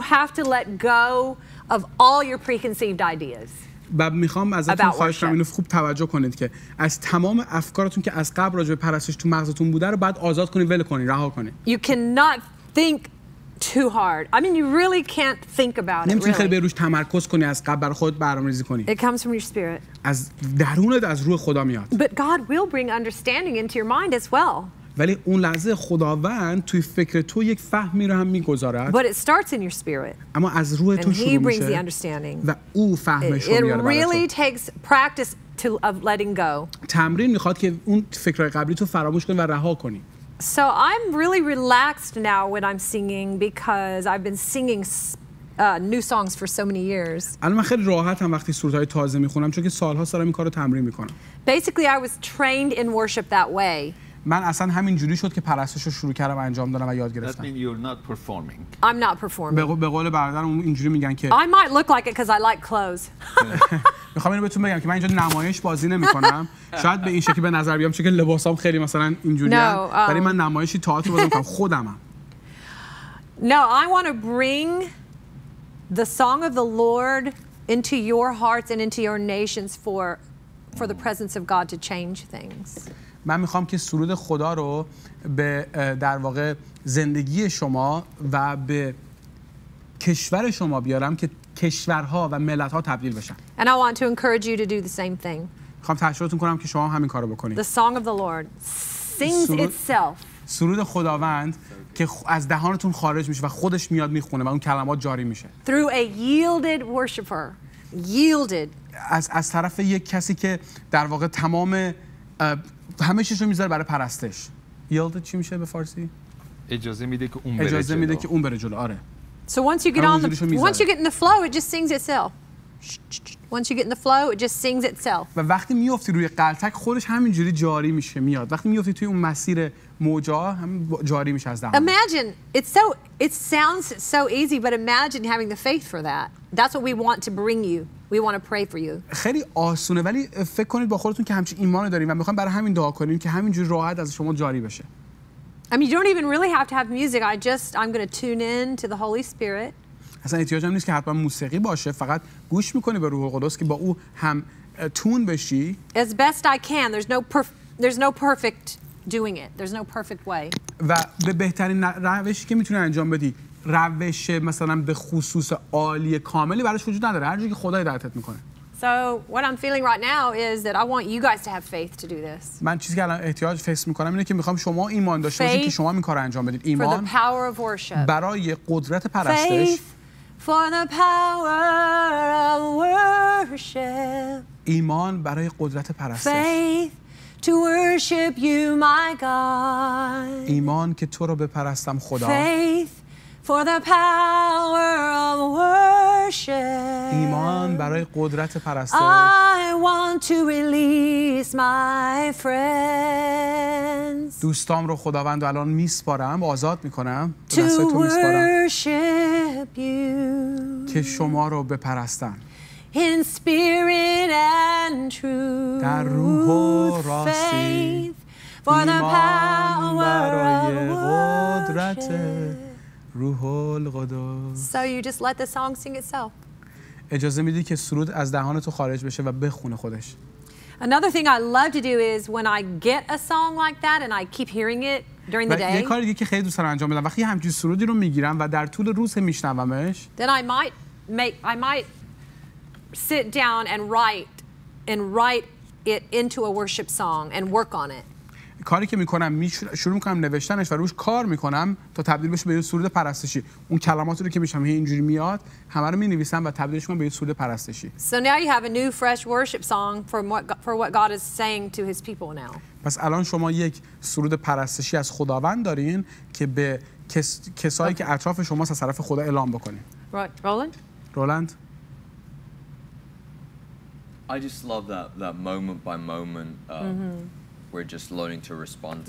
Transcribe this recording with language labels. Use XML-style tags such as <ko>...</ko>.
<en>have to let go of all your preconceived ideas.</en> <fa>بعد میخوام ازتون خواهش کنم اینو خوب توجه کنید که از تمام افکارتون که از قبل راجع به پرستش تو مغزتون بوده رو بعد آزاد کنید، ول کنید، رها کنید.</fa> <en>You cannot think too hard. I mean you really can't think about it.</en> <fa>نمیتونی خیلی روش تمرکز کنی، از قبل برای خودت برنامه‌ریزی کنی.</fa> <en>It comes from your spirit.</en> <fa>از درونت، از روح خدا میاد.</fa> <en>But God will bring understanding into your mind as well.</en> <fa>ولی اون لحظه خداوند توی فکر تو یک فهمی رو هم میگذارد.</fa> <en>But it starts in your spirit.</en> <fa>اما از روح تو شروع میشه.</fa> <en>And he brings the understanding.</en> <fa>و او فهمش رو میاره برات.</fa> <en>It really takes practice to of letting go.</en> <fa>تمرین میخواد که اون فکرای قبلی تو فراموش کنی و رها کنی.</fa> <en>So I'm really relaxed now when I'm singing because I've been singing new songs for so many years.</en> <fa>الان من خیلی راحتم وقتی سرودهای تازه میخونم چون که سالها دارم این کارو تمرین میکنم.</fa> <en>Basically I was trained in worship that way.</en> <fa>من اصلا همین جوری شد که پرستش رو شروع کردم انجام دادم و یاد گرفتم.</fa> <en>That means you're not performing. I'm not performing.</en> <fa>به قول برادرم اینجوری میگن که</fa> <en>I might look like it because I like clothes.</en> <fa>میخوام اینو بهتون بگم که من اینجا نمایش بازی نمیکنم. شاید به این شکلی به نظر بیام چون که لباسام خیلی مثلا اینجوریه. ولی من نمایشی تئاتر بازی میکنم خودمم.</fa> <en>No, I want to bring the song of the Lord into your hearts and into your nations for the presence of God to change things.</en> <fa>من میخوام که سرود خدا رو به در واقع زندگی شما و به کشور شما بیارم که کشورها و ملت‌ها تبدیل بشن.</fa> <en>And I want to encourage you to do the same thing.</en> <fa>میخوام تشویقتون کنم که شما همین کارو بکنید.</fa> <en>The song of the Lord sings itself.</en> <fa>سرود خداوند که از دهانتون خارج میشه و خودش میاد میخونه و اون کلمات جاری میشه.</fa> <en>Through a yielded worshipper. Yielded.</en> <fa>از طرف یک کسی که در واقع تمام همه چیزشو میذاره برای پرستش. Yielded چی میشه به فارسی؟ اجازه میده که اون بره. اجازه میده که اون بره جلو. آره.</fa> <en>So once you get on once you get in the flow it just sings itself. Once you get in the flow it just sings itself.</en> <fa>و وقتی میافتی روی قلتک خودش همینجوری جاری میشه میاد. وقتی میافتی توی اون مسیر موجا هم جاری میشه از دهان.</fa> <en>Imagine it sounds so easy but imagine having the faith for that. That's what we want to bring you. We want to pray for you.</en> <fa>خیلی آسونه ولی فکر کنید با خودتون که همچین ایمانی دارین و میخوام برای همین دعا کنین که همینجوری راحت از شما جاری بشه.</fa> <en>I mean you don't even really have to have music. I'm going to tune in to the Holy Spirit.</en> <fa>اصلا نیازی هم نیست که حتما موسیقی باشه فقط گوش میکنی به روح القدس که با او هم تون بشی.</fa> <en>As best I can. There's no perfect doing it. There's no perfect way.</en> <fa>و به بهترین روشی که میتونی انجام بدی روش مثلا به خصوص عالی کاملی براش وجود نداره هر جوری که خدا هدایتت میکنه.</fa> <en>So what I'm feeling right now is that I want you guys to have faith to do this.</en> <fa>من چیزی که الان احتیاج فکر میکنم اینه که میخوام شما ایمان داشته باشید که شما این کارو انجام بدید. ایمان</fa> <en>for the power of worship.</en> <fa>برای قدرت پرستش.</fa> <en>Faith for the power of worship.</en> <fa>ایمان برای قدرت پرستش.</fa> <en>Faith to worship you my God.</en> <fa>ایمان که تو رو بپرستم خدا.</fa> <en>Faith for the power of worship.</en> <fa>ایمان برای قدرت پرستش.</fa> <en>I want to release my friends.</en> <fa>دوستام رو خداوند الان میسپارم آزاد میکنم</fa> <en>to worship you.</en> <fa>که شما رو بپرستن.</fa> <en>In spirit and truth.</en> <fa>در روح و راستی.</fa> <en>Faith for the power of worship.</en> <fa>روح القدس.</fa> <en>So you just let the song sing itself.</en> <fa>اجازه میدی که سرود از دهان تو خارج بشه و بخونه خودش.</fa> <en>Another thing I love to do is when I get a song like that and I keep hearing it during the day.</en> <fa>یه کاری دیگه که خیلی دوست دارم انجام بدم وقتی همچین سرودی رو میگیرم و در طول روز میشنومش.</fa> <en>Then I might sit down and write it into a worship song and work on it.</en> <fa>کاری که میکنم شروع میکنم نوشتنش و روش کار میکنم تا تبدیل بشه به یه سرود پرستشی. اون کلمات رو که میشم اینجوری میاد همه رو مینویسم و تبدیلش میکنم به یه سرود پرستشی.</fa> <en>So now you have a new fresh worship song for what God is saying to his people now.</en> <fa>پس الان شما یک سرود پرستشی از خداوند دارین که به کسایی okay. که اطراف شما از طرف خدا اعلام بکنین.</fa> <en>Right. Roland? Roland? I just love that moment by moment. We're just learning to respond.</en>